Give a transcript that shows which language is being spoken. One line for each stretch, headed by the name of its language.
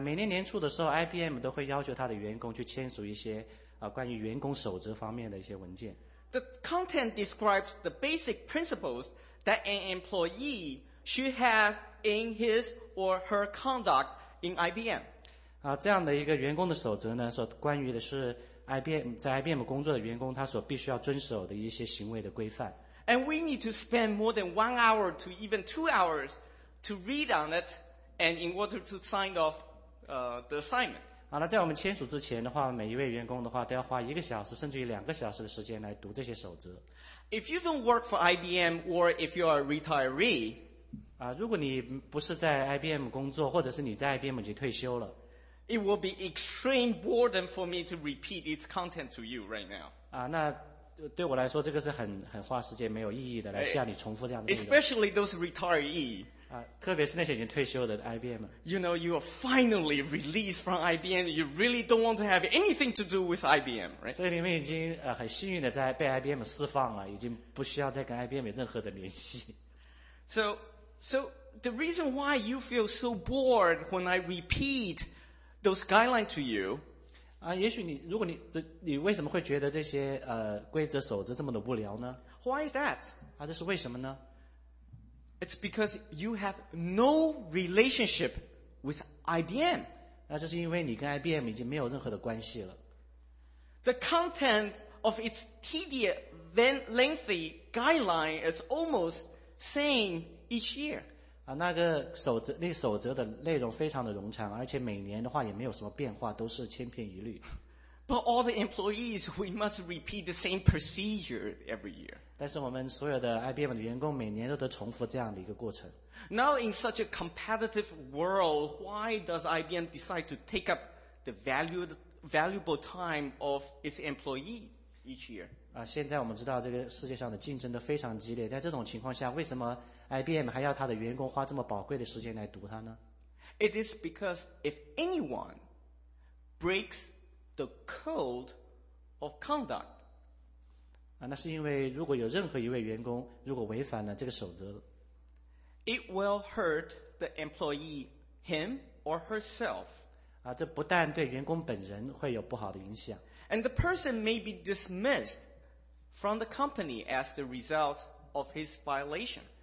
Chinese: 每年年初的时候 ，IBM 都会要求他的员工去签署一些关于员工守则方面的一些文件。
English: The content describes the basic principles that an employee should have in his or her conduct in IBM.
Chinese: 这样的一个员工的守则呢，所关于的是 IBM 在 IBM 工作的员工他所必须要遵守的一些行为的规范。
English: And we need to spend more than 1 hour to even 2 hours to read on it and in order to sign off the assignment.
Chinese: 那在我们签署之前的话，每一位员工的话都要花一个小时甚至于两个小时的时间来读这些守则。
English: If you don't work for IBM or if you are a retiree,
Chinese: 如果你不是在 IBM 工作或者是你在 IBM 已经退休了，
English: It will be extreme boredom for me to repeat its content to you right now.
Chinese: 那对我来说这个是 很花时间没有意义的来向你重复这样的。
English: Especially those retiree.
Chinese: 特别是那些已经退休的 IBM.
English: You know, you are finally released from IBM. You really don't want to have anything to do with IBM, right?
Chinese: 所以你们已经很幸运的在被 IBM 释放了，已经不需要再跟 IBM 有任何的联系。
English: So the reason why you feel so bored when I repeat those guidelines to you,
Chinese: 也许你为什么会觉得这些规则守则这么的无聊呢？
English: Why is that?
Chinese: 这是为什么呢？
English: It's because you have no relationship with IBM.
Chinese: 这是因为你跟 IBM 已经没有任何的关系了。
English: The content of its tedious, then lengthy guideline is almost same each year.
Chinese: 那守则的内容非常的冗长，而且每年的话也没有什么变化，都是千篇一律。
English: But all the employees, we must repeat the same procedure every year.
Chinese: 但是我们所有的 IBM 的员工每年都得重复这样的一个过程。
English: Now in such a competitive world, why does IBM decide to take up the valuable time of its employee each year?
Chinese: 现在我们知道这个世界上的竞争都非常激烈，在这种情况下，为什么IBM 还要他的员工花这么宝贵的时间来读它呢？
English: It is because if anyone breaks the code of conduct,
Chinese: 那是因为如果有任何一位员工如果违反了这个守则，
English: It will hurt the employee, him or herself,
Chinese: 这不但对员工本人会有不好的影响，
English: And the person may be dismissed from the company as the result of his violation.